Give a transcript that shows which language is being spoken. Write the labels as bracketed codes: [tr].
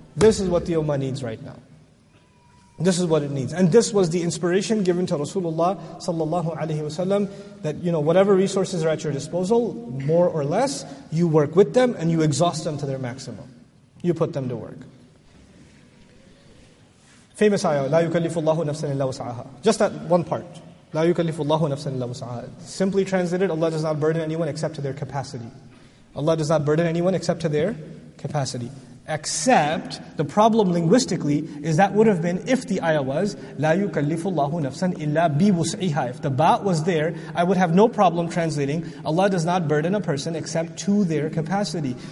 [en] This is what the Ummah needs right now. This is what it needs. And this was the inspiration given to Rasulullah sallallahu alaihi wasallam, that you know, whatever resources are at your disposal, more or less, you work with them and you exhaust them to their maximum. You put them to work. Famous ayah, [ar] لا يكلف الله نفسا إلا وسعها. [en] Just that one part. [ar] لا يكلف الله نفسا إلا وسعها. [en] Simply translated, Allah does not burden anyone except to their capacity. Allah does not burden anyone except to their capacity. Except, the problem linguistically is that would have been if the ayah was [ar] لا يكلف الله نفسا إلا بوسعها. [en] If the ba was there, I would have no problem translating Allah does not burden a person except to their capacity.